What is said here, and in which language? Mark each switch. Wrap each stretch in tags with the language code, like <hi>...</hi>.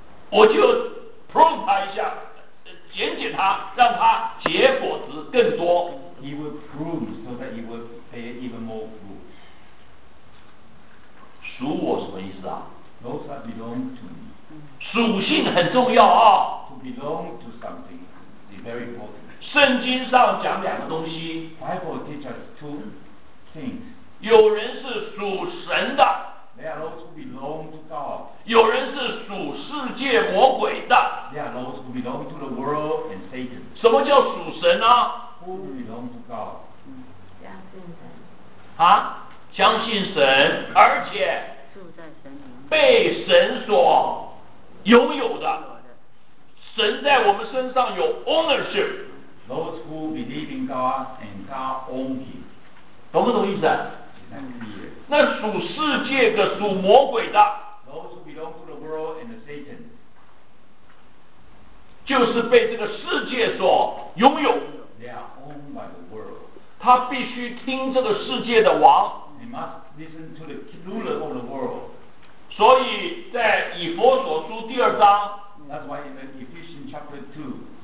<zh>我就 prune 他一下，剪剪他，让他结果子更多。</zh> <en>He will prune so that he will bear even more fruit.</en> <zh>属我什么意思啊？</zh> <en>Those that belong to me.</en> <zh>属性很重要啊。</zh> <en>To belong to something is very important.</en> <zh>圣经上讲两个东西。</zh> <en>Bible teaches two things.</en> <zh>有人是属神的。</zh> <en>They are those who belong to God.</en> <zh>有人是属世界魔鬼的。</zh> <en>They are those who belong to the world and Satan.</en> <zh>什么叫属神呢？</zh> <en>Who belong to God?</en> <zh>相信神。啊？相信神，而且住在神里面，被神所拥有的。神在我们身上有 ownership.</zh> <en>Those who believe in God and God own him.</en> <zh>懂不懂意思？那属世界的、属魔鬼的，</zh> <en>Those who belong to the world and the Satan,</en> <zh>就是被这个世界所拥有。</zh> <en>They are owned by the world.</en> <zh>他必须听这个世界的王。</zh> <en>must listen to the ruler of the world.</en> <zh>所以在以弗所书第二章</zh> <en>That's why in Ephesians chapter 2.</en>